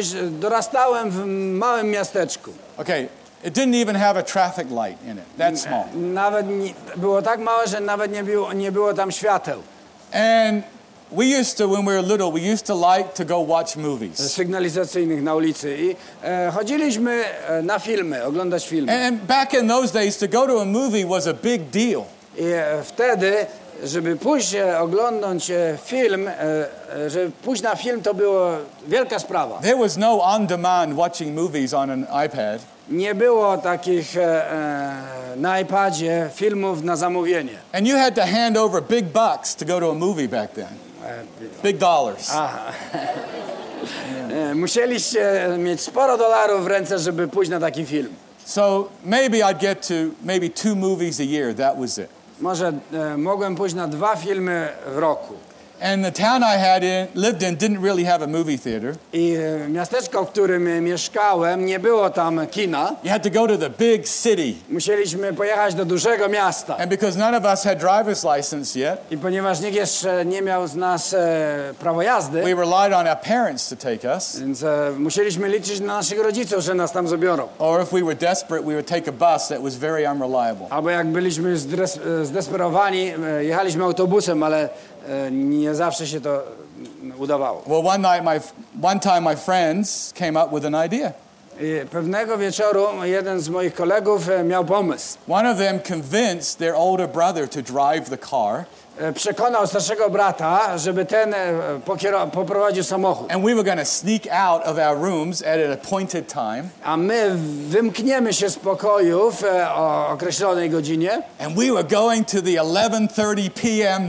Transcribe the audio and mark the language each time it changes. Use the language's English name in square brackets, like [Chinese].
[Polish] Dorastałem w małym miasteczku. [English] Okay. It didn't even have a traffic light in it. That small. [Polish] Nawet było tak małe, że nawet nie było tam świateł. [English] And we used to, when we were little, we used to like to go watch movies. [Polish] Sygnalizacyjnych na ulicy. I chodziliśmy na filmy, oglądać filmy. [English] And back in those days, to go to a movie was a big deal. [Polish] I wtedy, żeby pójść oglądać film, żeby pójść na film, to była wielka sprawa. [English] There was no on-demand watching movies on an iPad. [Polish] Nie było takich na iPadzie filmów na zamówienie. [English] And you had to hand over big bucks to go to a movie back then. Big dollars. [Polish] Musieliście mieć sporo dolarów w ręce, żeby pójść na taki film. [English] So maybe I'd get to maybe two movies a year, that was it. [Polish] Może mogłem pójść na dwa filmy w roku. [English] And the town I had lived in didn't really have a movie theater. [Polish] I miasteczko, w którym mieszkałem, nie było tam kina. [English] You had to go to the big city. [Polish] Musieliśmy pojechać do dużego miasta. [English] And because none of us had driver's license yet. [Polish] I ponieważ nikt jeszcze nie miał z nas prawa jazdy. [English] We relied on our parents to take us. [Polish] Więc musieliśmy liczyć na naszych rodziców, że nas tam zabiorą. [English] Or if we were desperate, we would take a bus that was very unreliable. [Polish] Albo jak byliśmy zdesperowani, jechaliśmy autobusem, ale nie zawsze się to udawało. [English] Well, one time my friends came up with an idea. [Polish] Pewnego wieczoru jeden z moich kolegów miał pomysł. [English] One of them convinced their older brother to drive the car. [Polish] Przekonał starszego brata, żeby ten poprowadził samochód. [English] And we were going to sneak out of our rooms at an appointed time. [Polish] A my wymkniemy się z pokojów o określonej godzinie. [English] And we were going to the 11:30 p.m.